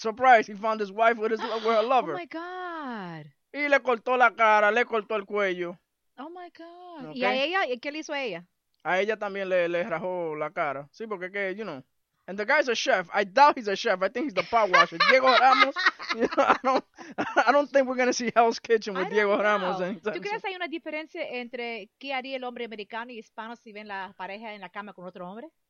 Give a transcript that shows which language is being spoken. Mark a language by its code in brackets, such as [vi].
[en] Surprise. He found his wife with her lover. Oh, my God. [es] Y le cortó la cara, le cortó el cuello. [en] Oh, my God. Okay? [es] ¿Y a ella? ¿Qué le hizo a ella? A ella también le rajó la cara. Sí, porque, que, [en] you know. And the guy's a chef. I doubt he's a chef. I think he's the pot washer. Diego Ramos. You know, I don't think we're going to see Hell's Kitchen with Diego know. Ramos. [es] ¿Tú crees hay una diferencia entre qué haría el hombre americano y hispano si ven la pareja en la cama con otro hombre?